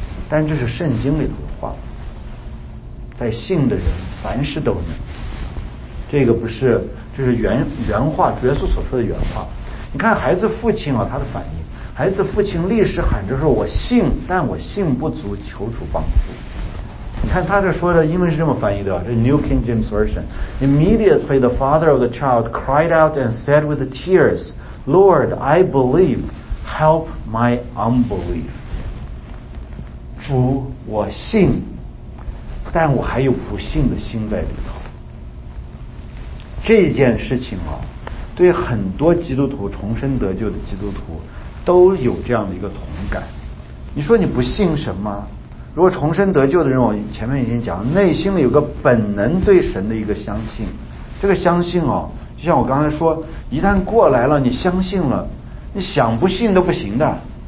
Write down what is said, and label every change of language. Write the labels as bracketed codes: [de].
[zh] 但这是圣经里头的话，在信的人凡事都能，这个不是，这是原话，耶稣所说的原话。你看孩子父亲啊，他的反应，孩子父亲立时喊着说我信，但我信不足，求主帮助。你看他这说的英文是这么翻译的，这 [en] New King James Version， Immediately the father of the child cried out and said with tears Lord I believe help my unbelief。 [zh] 主我信，但我还有不信的心在里头。这件事情啊，对很多基督徒重生得救的基督徒都有这样的一个同感。你说你不信什么？如果重生得救的人，我前面已经讲，内心里有个本能对神的一个相信，这个相信啊，就像我刚才说，一旦过来了，你相信了，你想不信都不行的。